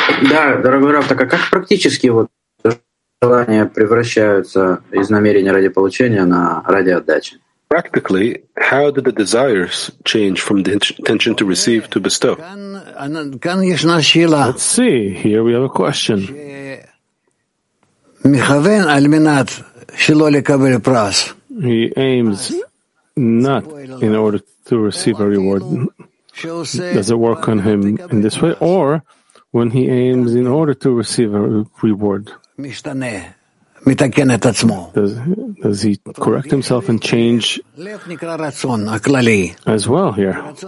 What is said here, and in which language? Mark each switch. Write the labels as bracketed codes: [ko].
[ru] Да, дорогой Рав, так а как практически вот желания превращаются из намерения ради получения на ради отдачи? [en] Practically, how do the desires change from the intention to receive to bestow? Let's see, here we have a question. [he] מכוון על מנת שלא לקבל פרס. [en] He aims not in order to receive a reward. Does it work on him in this way? Or when he aims in order to receive a reward, does he correct himself and change as well here?